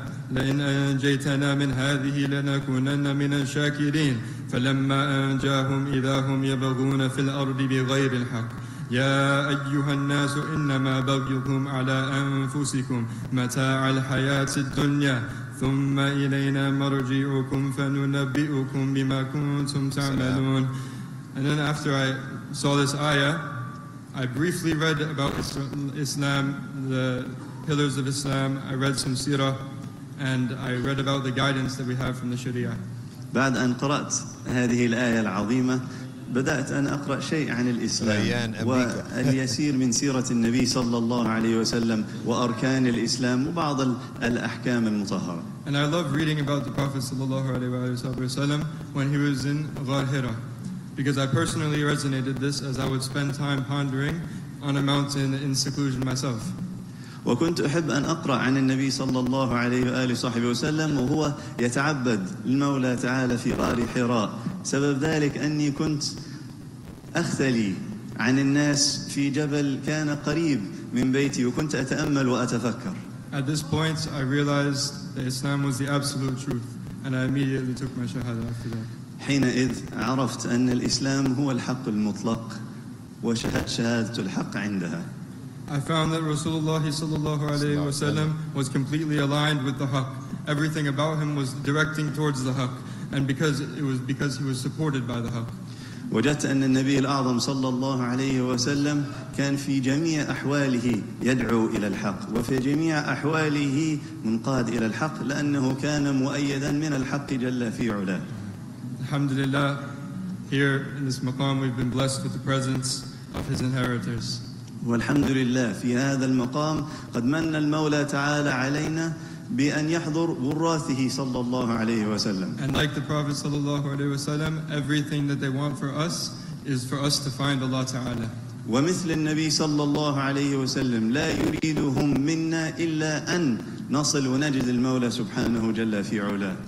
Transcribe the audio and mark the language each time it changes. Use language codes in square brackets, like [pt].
[ar] لئن أنجيتنا من هذه لنكونن من الشاكرين فلما أنجاهم إذا هم يبغون في الأرض بغير الحق يا أيها الناس إنما بغيكم على أنفسكم متاع الحياة الدنيا ثم إلينا مرجعكم فننبئكم بما كنتم تعملون. [en] And then after I saw this ayah, I briefly read about Islam, the pillars of Islam. I read some seerah and I read about the guidance that we have from the Sharia. [ar] بعد أن قرأت هذه الآية العظيمة بدأت أن أقرأ شيء عن الإسلام واليسير من سيرة النبي صلى الله عليه وسلم وأركان الإسلام وبعض الأحكام المطهرة. [en] And I love reading about the Prophet [ar] صلى الله عليه وسلم [en] when he was in غار حراء because I personally resonated this as I would spend time pondering on a mountain in seclusion myself. [ar] وكنت أحب أن أقرأ عن النبي صلى الله عليه وآله وصحبه وسلم وهو يتعبد المولى تعالى في غار حراء. سبب ذلك أني كنت أختلي عن الناس في جبل كان قريب من بيتي وكنت أتأمل وأتفكر. [en] At this point, I realized that Islam was the absolute truth, and I immediately took my shahada after that. [ar] حينئذ عرفت أن الإسلام هو الحق المطلق وشهدت شهادة الحق عندها. [en] I found that Rasulullah sallallahu alayhi wa sallam was completely aligned with the haq. Everything about him was directing towards the haq. And because he was supported by the haq. [ar] وجدت أن النبي الأعظم صلى الله عليه وسلم كان في جميع أحواله يدعو إلى الحق وفي جميع أحواله منقاد إلى الحق لأنه كان مؤيدا من الحق جل في علاه. الحمد لله, [en] here in this maqam we've been blessed with the presence of his inheritors. [ar] والحمد لله في هذا المقام قد من المولى تعالى علينا بأن يحضر وراثه صلى الله عليه وسلم. [en] And like the Prophet [ar] صلى الله عليه وسلم, [en] everything that they want for us is for us to find Allah تعالى. [ar] ومثل النبي صلى الله عليه وسلم لا يريدهم منا إلا أن نصل ونجد المولى سبحانه جل في علاه.